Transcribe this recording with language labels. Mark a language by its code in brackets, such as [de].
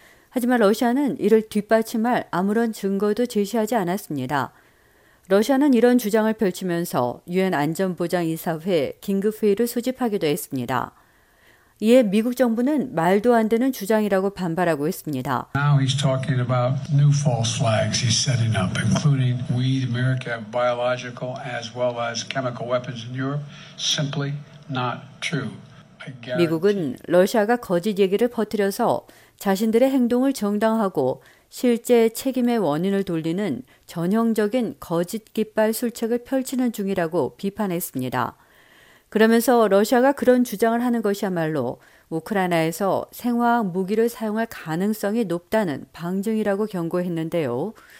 [ko] 하지만 러시아는 이를 뒷받침할 아무런 증거도 제시하지 않았습니다. 러시아는 이런 주장을 펼치면서 유엔 안전보장이사회 긴급회의를 소집하기도 했습니다. 이에 미국 정부는 말도 안 되는 주장이라고 반발하고 있습니다. [en] Now he's talking about new false flags he's setting up, including we, America, have biological as well as chemical weapons in Europe. Simply not true. I guarantee. [ko] 미국은 러시아가 거짓 얘기를 퍼뜨려서 자신들의 행동을 정당화하고 실제 책임의 원인을 돌리는 전형적인 거짓 깃발 술책을 펼치는 중이라고 비판했습니다. 그러면서 러시아가 그런 주장을 하는 것이야말로 우크라이나에서 생화학 무기를 사용할 가능성이 높다는 방증이라고 경고했는데요.